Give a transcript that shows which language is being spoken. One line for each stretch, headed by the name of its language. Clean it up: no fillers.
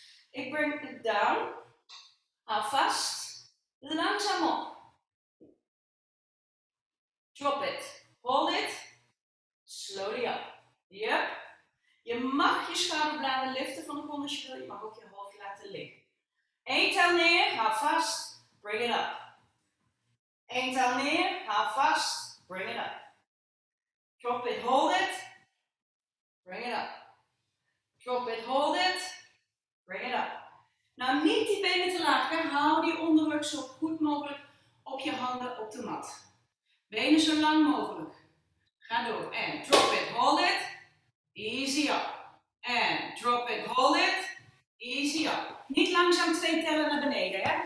Dutch: Ik breng het down. Hou vast. Langzaam op.
English: Drop it. Hold it. Slowly up. Yep.
Dutch: Je mag je schouderbladen liften van de grond als je wil. Je mag ook je hoofd laten liggen. 1 tel neer, hou vast,
English: bring it up.
Dutch: 1 tel neer, hou vast, bring it up.
English: Drop it, hold it, bring it up. Drop it, hold it, bring it up.
Dutch: Nou, niet die benen te laag, hè? Hou die onderrug zo goed mogelijk op je handen op de mat. Benen zo lang mogelijk. Ga door, en
English: drop it, hold it, easy up. En drop it, hold it, easy up.
Dutch: Niet langzaam 2 tellen naar beneden, hè?